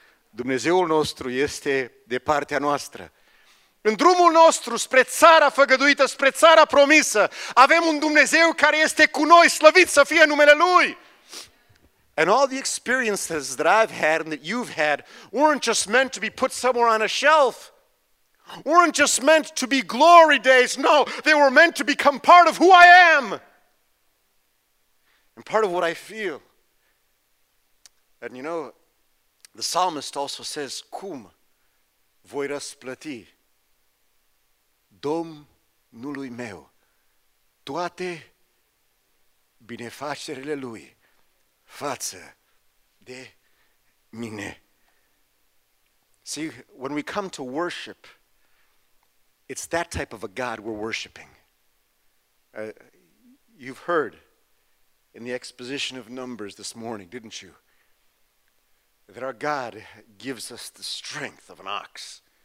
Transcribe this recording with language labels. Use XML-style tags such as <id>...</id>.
<ro>Dumnezeul nostru este de partea noastră. În drumul nostru spre țara făgăduită, spre țara promisă, avem un Dumnezeu care este cu noi, slăvit să fie numele Lui.</ro> <en>And all the experiences that I've had and that you've had weren't just meant to be put somewhere on a shelf. Weren't just meant to be glory days. No, they were meant to become part of who I am. And part of what I feel. And you know, the psalmist also says,</en> <ro>Cum voi răsplăti Domnului meu toate binefacerile Lui față de mine.</ro> <en>See, when we come to worship, it's that type of a God we're worshiping. You've heard in the exposition of Numbers this morning, didn't you? That our God gives us the strength of an ox.</en>